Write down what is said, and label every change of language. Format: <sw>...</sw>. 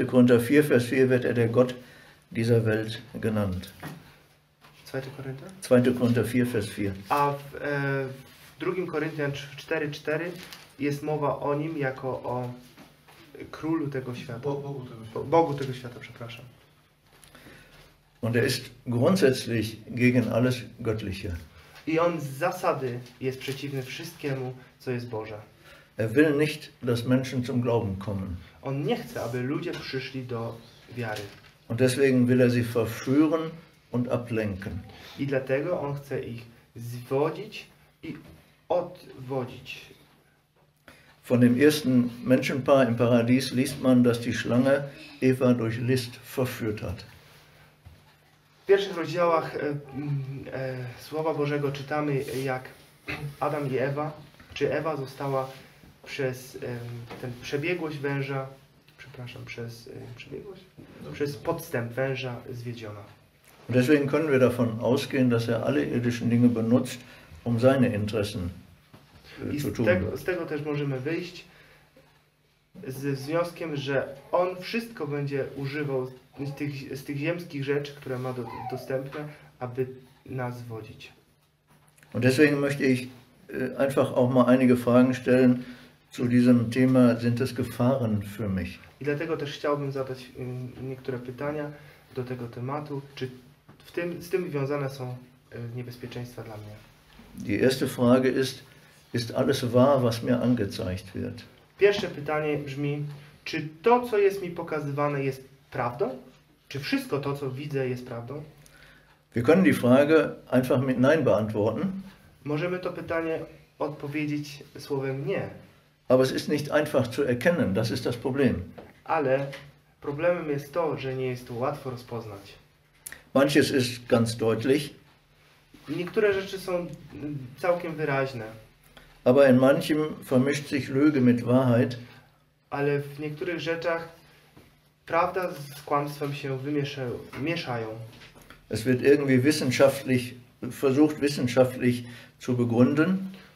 <de>Korinther 4, Vers 4 wird er der Gott dieser Welt genannt. 2. Korinther? 2. Korinther 4, Vers 4.</de> <pl>A w 2. Korinther 4, 4 jest mowa o nim jako o królu tego świata. Bogu tego świata, przepraszam.</pl> <de>Und ist grundsätzlich gegen alles Göttliche.</de> <pl>I on z zasady jest przeciwny wszystkiemu, co jest Boże.</pl> <de>Er will nicht, dass Menschen zum Glauben kommen.</de> <pl>On nie chce, aby ludzie przyszli do wiary.</pl> <de>Und deswegen will er sie verführen und ablenken.</de> <pl>I dlatego on chce ich zwodzić i odwodzić.</pl> <de>Von dem ersten Menschenpaar im Paradies liest man, dass die Schlange Eva durch List verführt hat.</de> <pl>W pierwszych rozdziałach Słowa Bożego czytamy, jak Adam i Ewa, czy Ewa została przez ten przebiegłość węża, przepraszam, przez przebiegłość, przez podstęp węża zwiedziona.</pl> <de>Deswegen können wir davon ausgehen, dass er alle irdischen Dinge benutzt, um seine Interessen.</de> <pl>I z tego też możemy wyjść ze wnioskiem, że on wszystko będzie używał z tych ziemskich rzeczy, które ma dostępne, aby nas wodzić.</pl> <de>Und deswegen möchte ich einfach auch mal einige Fragen stellen zu diesem Thema, sind es Gefahren für mich?</de> <pl>I dlatego też chciałbym zadać niektóre pytania do tego tematu, czy z tym związane są niebezpieczeństwa dla mnie.</pl> <de>Die erste Frage ist alles wahr, was mir angezeigt wird?</de> <pl>Pierwsze pytanie brzmi, czy to, co jest mi pokazywane, jest prawdą? Czy wszystko to, co widzę, jest prawdą?</pl> <de>Wir können die Frage einfach mit Nein beantworten.</de> <pl>Możemy to pytanie odpowiedzieć słowem nie.</pl> <de>Aber es ist nicht einfach zu erkennen, das ist das Problem.</de> <pl>Ale problemem jest to, że nie jest to łatwo rozpoznać.</pl> <de>Manches ist ganz deutlich.</de> <pl>Niektóre rzeczy są całkiem wyraźne.</pl> <de>Aber in manchem vermischt sich Lüge mit Wahrheit.</de> <pl>Ale w niektórych rzeczach prawda z kłamstwem się mieszają.</pl> <de>Es wird irgendwie wissenschaftlich versucht, wissenschaftlich zu begründen.</de>